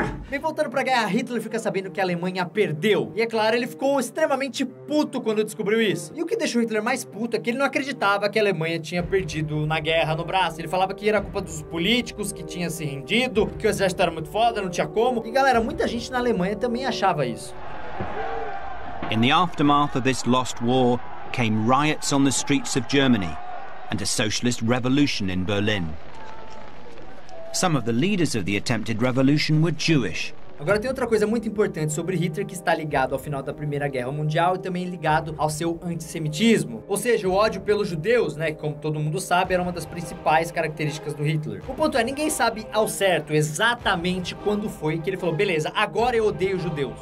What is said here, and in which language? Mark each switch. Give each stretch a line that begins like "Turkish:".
Portuguese: Bem, voltando pra guerra, Hitler fica sabendo que a Alemanha perdeu. E é claro, ele ficou extremamente puto quando descobriu isso. E o que deixou Hitler mais puto é que ele não acreditava que a Alemanha tinha perdido na guerra no braço. Ele falava que era culpa dos políticos, que tinha se rendido, que o exército era muito foda, não tinha como. E galera, muita gente na Alemanha também achava isso.
English: In the aftermath of this lost war came riots on the streets of Germany and a socialist revolution in Berlin. Some of the leaders of the attempted revolution were Jewish.
Portuguese: Agora tem outra coisa muito importante sobre Hitler que está ligado ao final da Primeira Guerra Mundial e também ligado ao seu antissemitismo. Ou seja, o ódio pelos judeus, né, que como todo mundo sabe, era uma das principais características do Hitler. O ponto é, ninguém sabe ao certo exatamente quando foi que ele falou, beleza, agora eu odeio judeus.